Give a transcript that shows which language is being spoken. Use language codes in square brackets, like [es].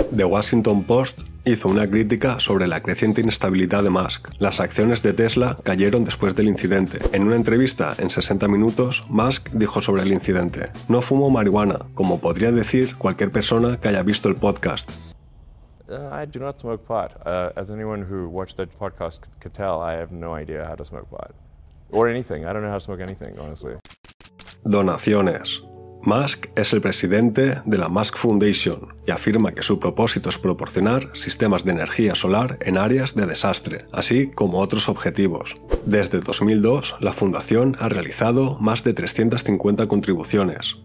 [es] The Washington Post hizo una crítica sobre la creciente inestabilidad de Musk. Las acciones de Tesla cayeron después del incidente. En una entrevista en 60 minutos, Musk dijo sobre el incidente: "No fumo marihuana, como podría decir cualquier persona que haya visto el podcast". [en] I do not smoke pot. As anyone who watched that podcast could tell, I have no idea how to smoke pot. Or anything. I don't know how to smoke anything, honestly. [es] Donaciones. Musk es el presidente de la Musk Foundation y afirma que su propósito es proporcionar sistemas de energía solar en áreas de desastre, así como otros objetivos. Desde 2002, la fundación ha realizado más de 350 contribuciones.